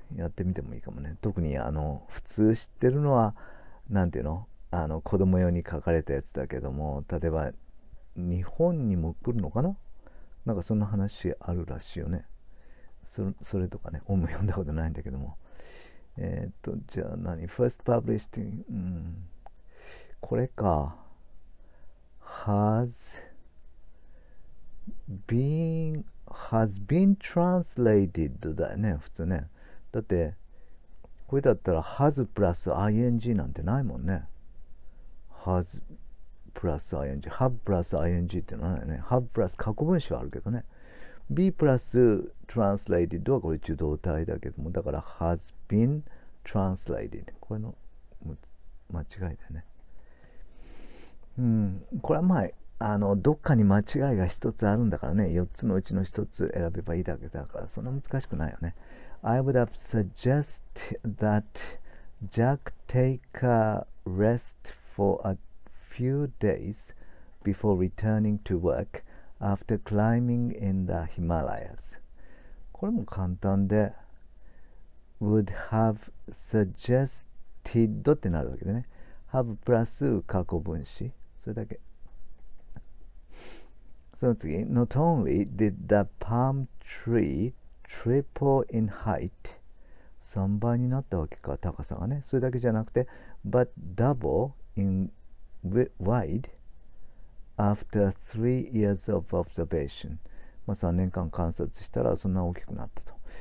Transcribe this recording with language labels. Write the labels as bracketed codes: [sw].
[ja] やってみてもいいかもね。特に普通知ってるのは、なんていうの？子供用に書かれたやつだけども、例えば、日本にも来るのかな？なんかそんな話あるらしいよね。それとかね、本も読んだことないんだけども。じゃあ何？ [en] First published in、 [ja] これか。 [en] Has been translated [ja] だよね、普通ね。だって、これだったら has プラス ing なんてないもんね。 has プラス ing、have プラス ing ってのはないね。 have プラス過去文詞はあるけどね。be プラス translated はこれ受動態だけども、だから [en] has been translated。 [ja] これの間違いだよね。これは前、どっかに間違いが一つあるんだからね。四つのうちの一つ選べばいいだけだから、そんな難しくないよね。 [en] I would have suggested that Jack take a rest for a few days before returning to work after climbing in the Himalayas. [ja] これも簡単で、 [en] would have suggested [ja] ってなるわけでね。 have プラス過去分詞。それだけ。その次、 [en] not only did the palm tree triple in height、 [ja] 3倍になったわけか、高さがね、それだけじゃなくて、 [en] but double in wide after 3 years of observation、 [ja] まあ、3年間観察したらそんな大きくなったと。